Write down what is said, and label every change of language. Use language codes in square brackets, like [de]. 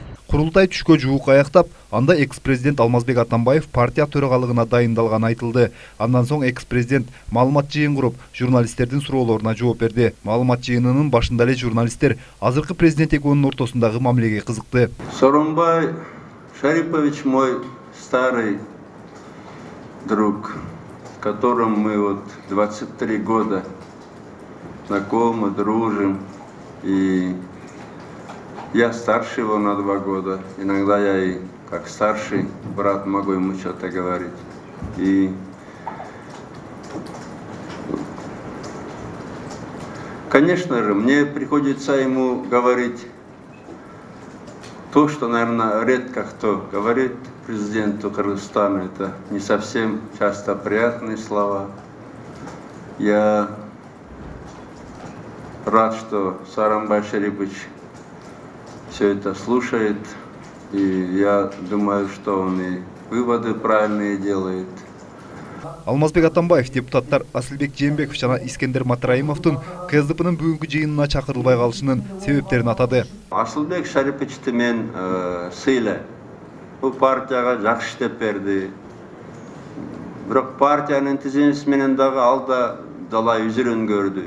[ky] Курултай түшкө жуук аяктап, анда экс-президент Алмазбек Атамбаев партия төрагалыгына дайындалганы айтылды. Андан соң экс-президент маалымат жыйын куруп, журналисттердин суроолоруна жооп берди. Маалымат жыйынынын башында эле журналисттер азыркы президент экөөнүн ортосундагы мамилеге кызыкты. [ru] Сооронбай Шарипович мой старый друг, которым мы вот 23 года знакомы, дружим и... Я старше его на 2 года. Иногда я и как старший брат могу ему что-то говорить. И конечно же, мне приходится ему говорить то, что, наверное, редко кто говорит президенту Кыргызстана. Это не совсем часто приятные слова. Я рад, что Сооронбай Шарипович все это слушает, и я думаю, что он и выводы правильные делает. [ky] Алмазбек Атамбаев, депутаттар Асылбек Жээнбеков жана Искендер Матраимовдун КСДПнын бүгүнкү жыйынына чакырылбай калышынын себептерин атады. Асылбек Шарипычты мен сыйла. Бул партияга жакшы деп берди. Бирок партиянын тизмеси менен дагы алда дала үзүрүн көрдү.